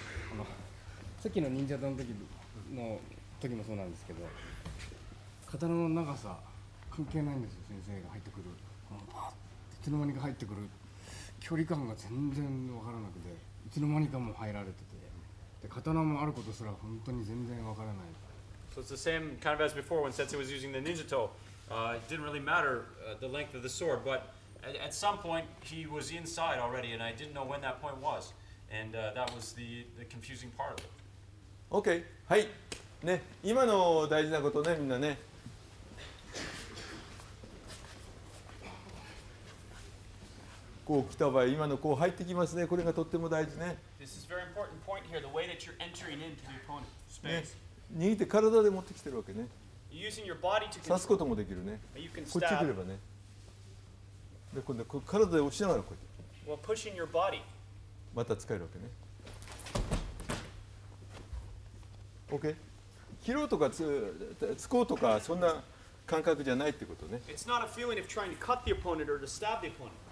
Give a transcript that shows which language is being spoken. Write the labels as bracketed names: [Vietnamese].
[Japanese] このさっきの忍者団の時の時もそうなんですけど、刀の長さ関係ないんですよ、先生が入ってくる。このバーッ、いつの間にか入ってくる距離感が全然わからなくて、いつの間にかも入られてて、で刀もあることすら本当に全然わからない。 [English] So it's the same kind of as before when Sensei was using the ninja toIt didn't really matter、the length of the sword, but at some point he was inside already, and I didn't know when that point was, and、that was the confusing part of it. Okay, はい。 [Japanese] ね、今の大事なことね、みんなね。こう来た場合、今のこう入ってきますね。これがとっても大事ね。 [English] This is a very important point here, the way that you're entering into the opponent's space. [Japanese] 握って体で持ってきてるわけね。 [English] Using your body to [Japanese] control. 刺すこともできるね。こっち来ればね。で、今度は体で押しながらこうやって。 [English] Well, pushing your body. [Japanese] また使えるわけね。 OK。拾うとか突こうとか、そんな感覚じゃないってことね。 [English] It's not a feeling of trying to cut the opponent or to stab the opponent.